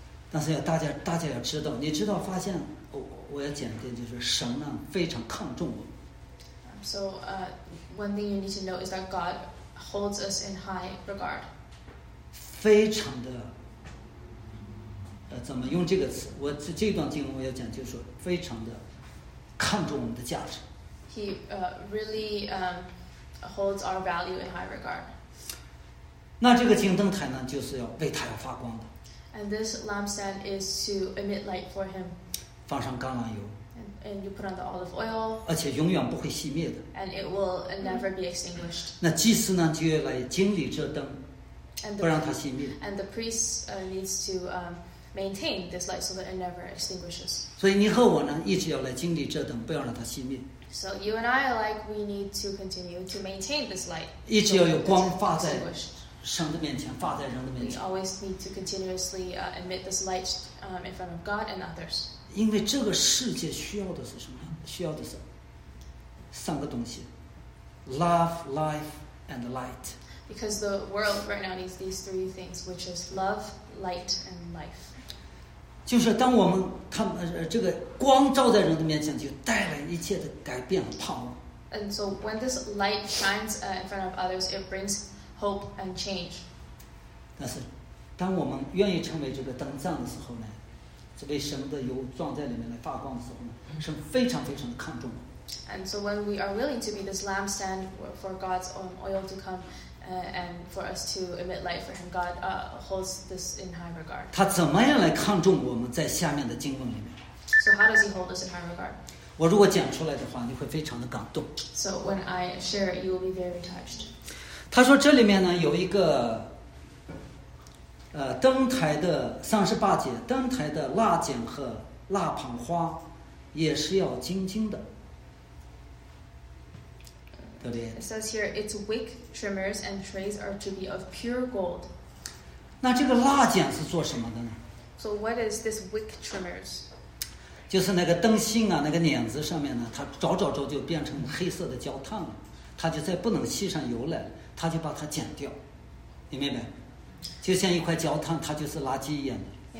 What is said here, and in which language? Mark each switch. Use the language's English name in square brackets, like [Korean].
[Chinese] 但是大家要知道，你知道发现。我要讲的就是神呢非常看重我们。 [English] So, one thing you need to know is that God holds us in high regard. [Chinese] 非常的，怎么用这个词？我这段经文我要讲，就是说非常的看重我们的价值。 [English] He really holds our value in high regard. [Chinese] 那这个金灯台呢，就是要为他要发光的。 [English] And this lampstand is to emit light for him. [Chinese] 放上橄榄油 [English] and you put on the olive oil, [Chinese] 而且永远不会熄灭的 [English] and it will never be extinguished. [Chinese] 那祭司呢就要来经历这灯 [English] and [Chinese] 不让它熄灭 [English] and the priest needs to maintain this light so that it never extinguishes. [Chinese] 所以你和我呢一直要来经历这灯不要让它熄灭 [English] so you and I like we need to continue to maintain this light [Chinese] 一直要有光发在神的面前发在人的面前 [English] we always need to continuously emit this light in front of God and others. [Chinese] 因为这个世界需要的是什么？需要的是三个东西 ： [English] love, life, and light. Because the world right now needs these three things, which is love, light, and life. [Chinese] 就是当我们这个光照在人的面前，就带来一切的改变和盼望。 [English] And so when this light shines in front of others, it brings hope and change. [Chinese] 但是，当我们愿意成为这个灯杖的时候呢？为神的油装在里面来发光的时候呢，神非常非常的看重。 [English] And so when we are willing to be this lampstand for God's own oil to come, and for us to emit light for Him, God holds this in high regard. [Chinese] 他怎么样来看重我们在下面的经文里面 [English] ？So how does He hold us in high regard? [Chinese] 我如果讲出来的话，你会非常的感动。 [English] So when I share, you will be very touched. [Chinese] 他说这里面呢有一个。灯台的三十八节，灯台的蜡剪和蜡盘花，也是要金金的，对不对 [English] ？It says here, its wick trimmers and trays are to be of pure gold. [Chinese] 那这个蜡剪是做什么的呢 [English] ？So what is this wick trimmers? [Chinese] 就是那个灯芯啊，那个捻子上面呢，它找找找就变成黑色的焦炭了，它就再不能吸上油来，它就把它剪掉，你明白？就像一块焦炭，它就是垃圾一样的。